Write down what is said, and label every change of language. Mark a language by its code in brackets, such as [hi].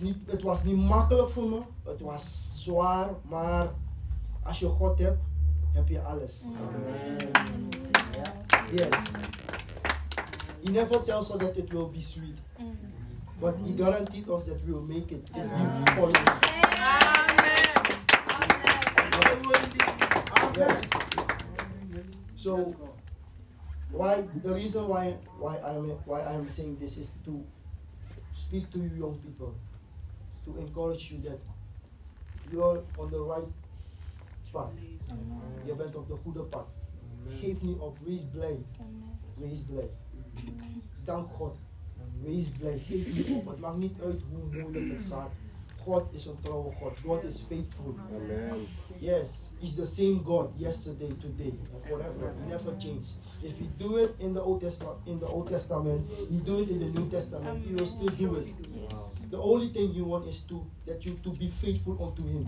[en] It was [nl] niet makkelijk voor me. It was zwaar, maar als je God hebt, heb je alles. Amen. Yes. [en] He never tells us that it will be sweet. But He guaranteed us that we will make it. Amen. Yes. Amen. Amen. Yes. So, the reason why I'm saying this is to speak to you young people, to encourage you that you are on the right path. [nl] You bent op de goede pad. Geef niet op. Wees blij. Wees blij. Dank God. Wees blij, geef niet op. Het maakt niet uit hoe moeilijk het gaat. God is een trouwe God. [en] God is faithful. [nl] Amen. [en] Yes, He's the same God yesterday, today, and forever. He never changed. If He do it in the Old Testament, He do it in the New Testament, He will still do it. Yes. The only thing you want is to be faithful unto Him.